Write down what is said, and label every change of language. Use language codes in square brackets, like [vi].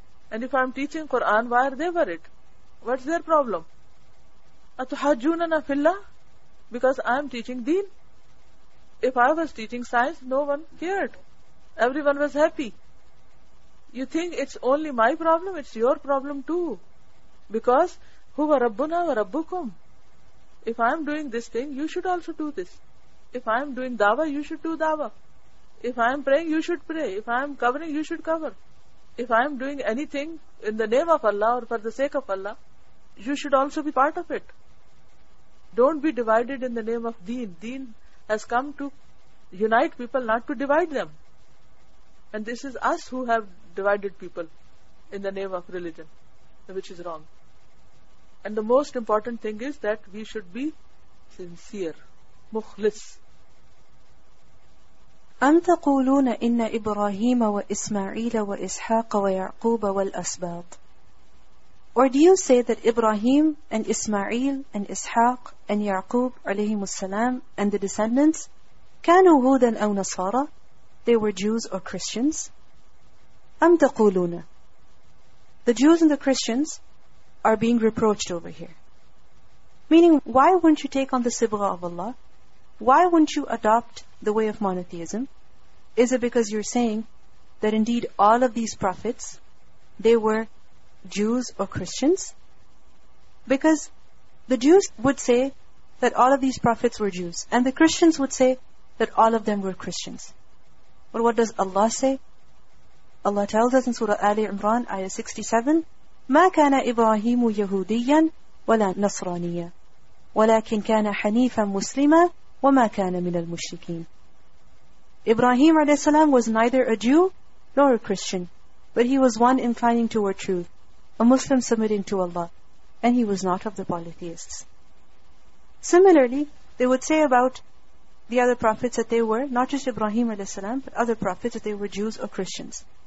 [en] And if I am teaching Quran, why are they worried? What's their problem? [ar] أَتُحَجُّونَنَا فِي اللَّهِ? [en] Because I am teaching deen. If I was teaching science, no one cared. Everyone was happy. You think it's only my problem? It's your problem too. Because [ar] هُوَ رَبُّنَا وَرَبُّكُمْ. [en] If I am doing this thing, you should also do this. If I am doing dawah, you should do dawah. If I am praying, you should pray. If I am covering, you should cover. If I am doing anything in the name of Allah or for the sake of Allah, you should also be part of it. Don't be divided in the name of deen. Deen has come to unite people, not to divide them. And this is us who have divided people in the name of religion, which is wrong. And the most important thing is that we should be sincere, mukhlis. [ar] أم تقولون إن إبراهيم وإسماعيل وإسحاق ويعقوب والأسباط? [en] Or do you say that Ibrahim and Ismail and Ishaq and Yaqub alayhim as-salam and the descendants [ar] كانوا هودا أو نصارى? [en] They were Jews or Christians? [ar] أم تقولون? [en] The Jews and the Christians are being reproached over here. Meaning, why won't you take on the sibgha of Allah? Why won't you adopt the way of monotheism? Is it because you're saying that indeed all of these prophets, they were Jews or Christians? Because the Jews would say that all of these prophets were Jews, and the Christians would say that all of them were Christians. But what does Allah say? Allah tells us in Surah Ali Imran, Ayah 67, [ar] مَا كَانَ إِبْرَاهِيمُ يَهُودِيًّا وَلَا نَصْرَانِيًّا وَلَكِنْ كَانَ حَنِيفًا مُسْلِمًا وَمَا كَانَ مِنَ الْمُشْرِكِينَ. [en] Ibrahim a.s. was neither a Jew nor a Christian, but he was one inclining toward truth, a Muslim submitting to Allah, and he was not of the polytheists. Similarly, they would say about the other prophets that they were, not just Ibrahim a.s., but other prophets, that they were Jews or Christians.